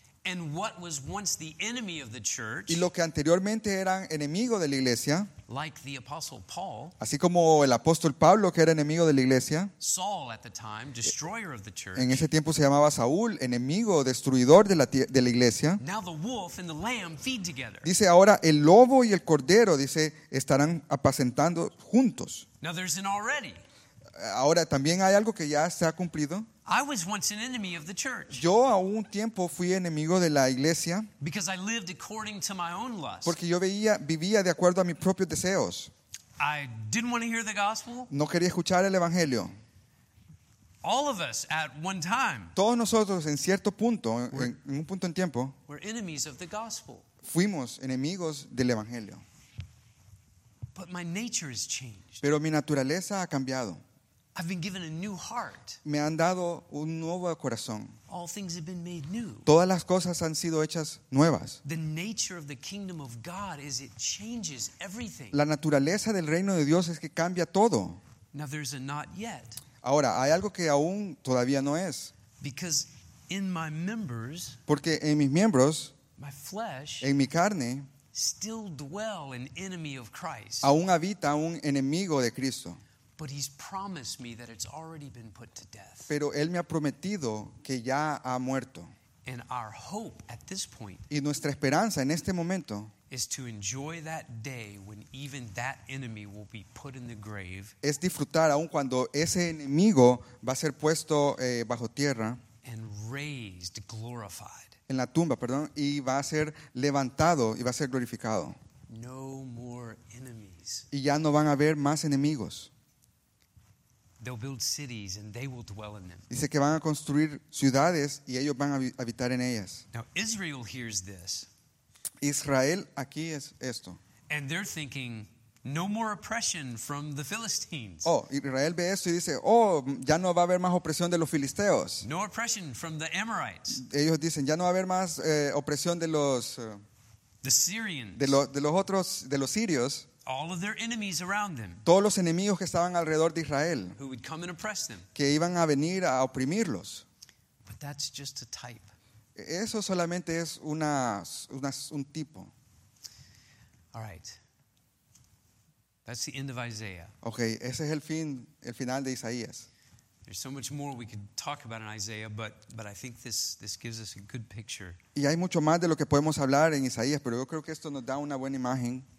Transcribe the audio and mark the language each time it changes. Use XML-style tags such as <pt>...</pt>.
<en>And what was once the enemy of the church,</en> <es>y lo que anteriormente eran enemigo de la iglesia,</es> <en>like the apostle Paul,</en> <es>así como el apóstol Pablo que era enemigo de la iglesia,</es> <en>Saul at the time, destroyer of the church,</en> <es>en ese tiempo se llamaba Saúl, enemigo, destruidor de la iglesia,</es> <en>now the wolf and the lamb feed together.</en> <es>Dice ahora el lobo y el cordero, dice, estarán apacentando juntos.</es> <en>Now there's an already.</en> <es>Ahora también hay algo que ya se ha cumplido.</es> <en>I was once an enemy of the church.</en> <es>Yo a un tiempo fui enemigo de la iglesia.</es> <en>Because I lived according to my own lust.</en> <es>Porque yo vivía de acuerdo a mis propios deseos.</es> <en>I didn't want to hear the gospel.</en> <es>No quería escuchar el evangelio.</es> <en>All of us at one time.</en> <es>Todos nosotros en cierto punto, en un punto en tiempo.</es> <en>Were enemies of the gospel.</en> <es>Fuimos enemigos del evangelio.</es> <en>But my nature has changed.</en> <es>Pero mi naturaleza ha cambiado.</es> <en>I've been given a new heart.</en> <es>Me han dado un nuevo corazón.</es> <en>All things have been made new.</en> <es>Todas las cosas han sido hechas nuevas.</es> <en>The nature of the kingdom of God is it changes everything.</en> <es>La naturaleza del reino de Dios es que cambia todo.</es> <en>Now there's a not yet.</en> <es>Ahora, hay algo que aún todavía no es.</es> <en>Because in my members,</en> <es>porque en mis miembros,</es> <en>my flesh,</en> <es>en mi carne,</es> <en>still dwell an enemy of Christ.</en> <es>Aún habita un enemigo de Cristo.</es> <en>But he's promised me that it's already been put to death.</en> <es>Pero él me ha prometido que ya ha muerto.</es> <en>And our hope at this point.</en> <es>Y nuestra esperanza en este momento.</es> <en>Is to enjoy that day when even that enemy will be put in the grave.</en> <es>Es disfrutar aun cuando ese enemigo va a ser puesto bajo tierra.</es> <en>And raised, glorified.</en> <es>En la tumba, perdón, y va a ser levantado y va a ser glorificado.</es> <en>No more enemies.</en> <es>Y ya no van a haber más enemigos.</es> <en>They'll build cities and they will dwell in them.</en> <es>Dice que van a construir ciudades y ellos van a habitar en ellas.</es> <en>Now Israel hears this.</en> <es>Israel aquí es esto.</es> <en>And they're thinking, no more oppression from the Philistines.</en> <es>Oh, Israel ve esto y dice, oh, ya no va a haber más opresión de los filisteos.</es> <en>No oppression from the Amorites.</en> <es>Ellos dicen, ya no va a haber más opresión de los</es> <en>the Syrians.</en> <es>De los sirios.</es> <en>All of their enemies around them.</en> <es>Todos los enemigos que estaban alrededor de Israel.</es> <en>Who would come and oppress them.</en> <es>Que iban a venir a oprimirlos.</es> <en>But that's just a type.</en> <es>Eso solamente es un tipo.</es> <en>All right. That's the end of Isaiah.</en> <es>Okay, ese es el final de Isaías.</es> <en>There's so much more we could talk about in Isaiah, but I think this gives us a good picture.</en> <es>Y hay mucho más de lo que podemos hablar en Isaías, pero yo creo que esto nos da una buena imagen.</es>